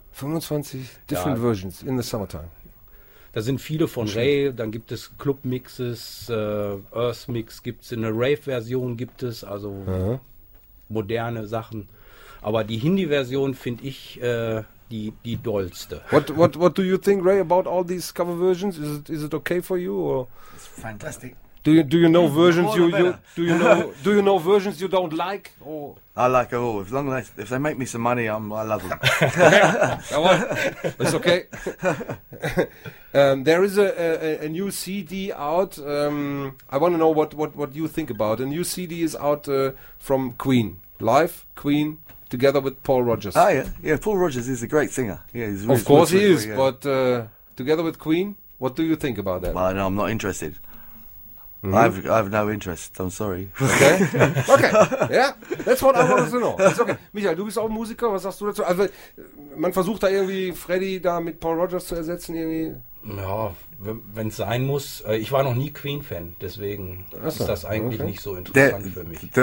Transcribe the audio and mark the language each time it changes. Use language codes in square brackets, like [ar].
[en] 25 different versions in the summertime. [de] Da sind viele von Ray, dann gibt es Club-Mixes, Earth-Mix gibt es, eine Rave-Version gibt es, also moderne Sachen. Aber die Hindi-Version finde ich die dollste. [en] What do you think, Ray, about all these cover versions? Is it okay for you? Or? It's fantastic. Do you know versions do you know versions you don't like? Or? I like it all. If they make me some money, I love them. It's okay. There is a new CD out. I want to know what you think about. A new CD is out from Queen. Live Queen together with Paul Rodgers. Oh yeah. Paul Rodgers is a great singer. Yeah, he's of course he is. Yeah. But together with Queen, what do you think about that? Well, no, I'm not interested. Mm-hmm. I've no interest, I'm sorry. Okay, yeah, that's what I wanted to know. That's okay. [de] Michael, du bist auch Musiker, was sagst du dazu? Also, man versucht da irgendwie Freddy da mit Paul Rodgers zu ersetzen irgendwie? Ja, wenn es sein muss. Ich war noch nie Queen-Fan, deswegen ist das eigentlich nicht so interessant für mich.